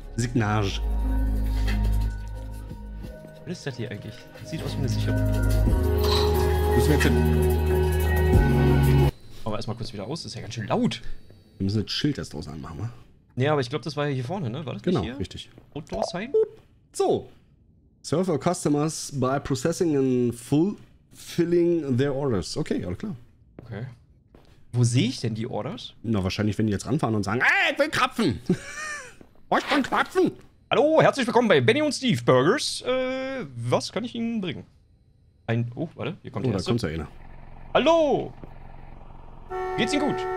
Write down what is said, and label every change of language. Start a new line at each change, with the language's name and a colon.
German: Was ist das hier eigentlich? Das sieht aus wie eine Sicherung. Müssen wir jetzt hin. Aber erstmal kurz wieder aus, das ist ja ganz schön laut. Wir müssen das Schild erst draußen anmachen, ne? Ja, aber ich glaube, das war ja hier vorne, ne? War das genau, nicht hier? Genau, richtig.
English: Outdoor sign?
German: So.
English: Serve our customers by processing and fulfilling their orders.
German: Okay, alles klar. Okay. Wo sehe ich denn die Orders? Na, wahrscheinlich, wenn die jetzt ranfahren und sagen, ey, ich will Krapfen! Ich will Krapfen! Hallo, herzlich willkommen bei Benny und Steve Burgers. Was kann ich Ihnen bringen? Ein. Oh, warte, hier kommt der erste. Da kommt ja einer. Hallo! Geht's Ihnen gut?